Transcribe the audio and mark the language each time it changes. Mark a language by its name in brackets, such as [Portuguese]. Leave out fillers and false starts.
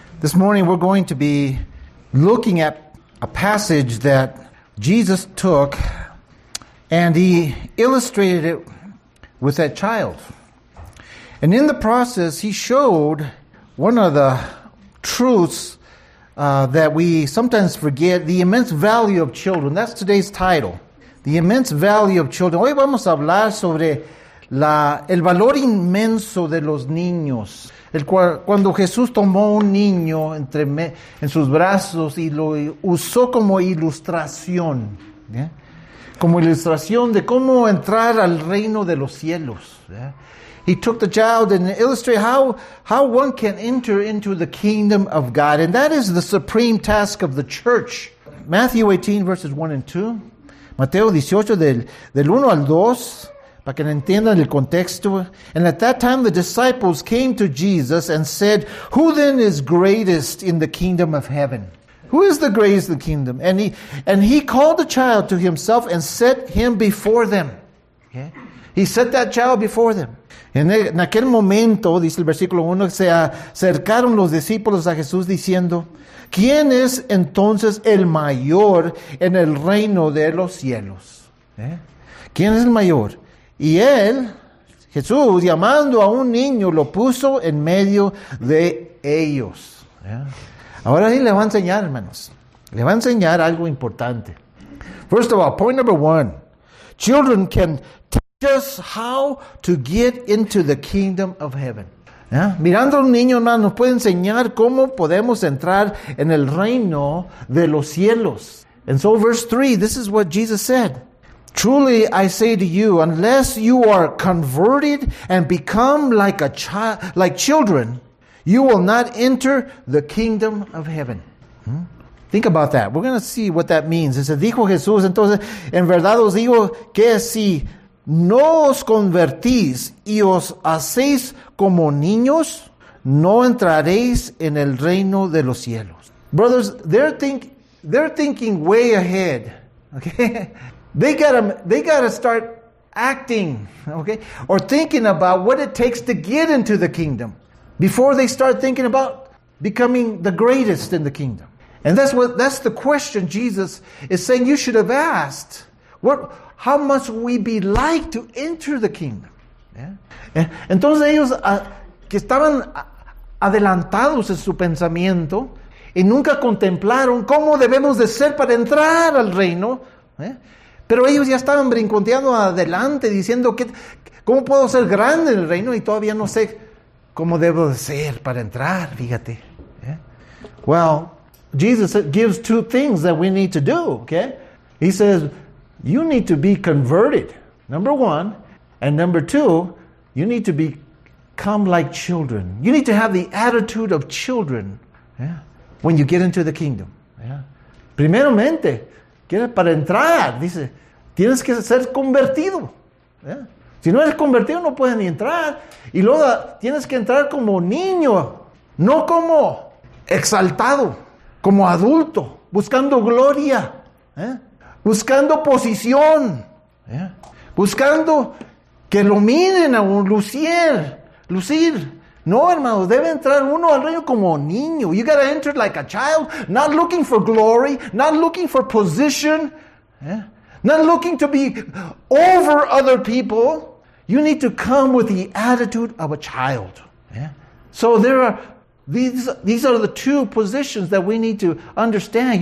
[English] This morning we're going to be looking at a passage that Jesus took and he illustrated it with that child. And in the process, he showed one of the truths that we sometimes forget, the immense value of children. That's today's title, the immense value of children. [Spanish] Hoy vamos a hablar sobre el valor inmenso de los niños. Cuando Jesús tomó un niño en sus brazos y lo usó como ilustración, ¿eh? Como ilustración de cómo entrar al reino de los cielos. ¿Eh? [English] He took the child and illustrated how one can enter into the kingdom of God. And that is the supreme task of the church. Matthew 18, verses 1 and 2. [Spanish] Mateo 18, del 1 al 2. Para que entiendan el contexto. [English] And at that time the disciples came to Jesus and said, "Who then is greatest in the kingdom of heaven?" Who is the greatest in the kingdom? And he called the child to himself and set him before them. Okay? He set that child before them. [Spanish] En aquel momento, dice el versículo 1, se acercaron los discípulos a Jesús diciendo, "¿Quién es entonces el mayor en el reino de los cielos?" ¿Eh? ¿Quién es el mayor? Y él, Jesús, llamando a un niño, lo puso en medio de ellos. ¿Eh? Ahora sí le va a enseñar, hermanos. Le va a enseñar algo importante. [English] First of all, point number one. Children can teach us how to get into the kingdom of heaven. ¿Eh? [Spanish] Mirando a un niño, hermano, nos puede enseñar cómo podemos entrar en el reino de los cielos. [English] And so verse 3, this is what Jesus said. "Truly I say to you, unless you are converted and become like a child, like children, you will not enter the kingdom of heaven." Think about that. We're going to see what that means. It says, [Spanish] dijo Jesús, entonces, en verdad os digo que si no os convertís y os hacéis como niños, no entraréis en el reino de los cielos. [English] Brothers, they're thinking way ahead, okay? They gotta start acting, okay, or thinking about what it takes to get into the kingdom before they start thinking about becoming the greatest in the kingdom. And that's the question Jesus is saying you should have asked. How must we be like to enter the kingdom? Yeah. [Spanish] Entonces ellos que estaban adelantados en su pensamiento y nunca contemplaron cómo debemos de ser para entrar al reino. Yeah. Pero ellos ya estaban brinconteando adelante, diciendo, ¿cómo puedo ser grande en el reino? Y todavía no sé cómo debo ser para entrar, fíjate. [English] ¿Eh? Well, Jesus gives two things that we need to do, okay? He says, you need to be converted, number one. And number two, you need to become like children. You need to have the attitude of children, yeah, when you get into the kingdom. [Spanish] Yeah. Primeramente, para entrar, dice, tienes que ser convertido. ¿Eh? Si no eres convertido, no puedes ni entrar. Y luego tienes que entrar como niño, no como exaltado, como adulto, buscando gloria, ¿eh? Buscando posición, ¿eh? Buscando que lo miren a un lucir. No, hermano, debe entrar uno al reino como niño. [English] You gotta enter like a child, not looking for glory, not looking for position, yeah? Not looking to be over other people. You need to come with the attitude of a child. Yeah? So there are these are the two positions that we need to understand.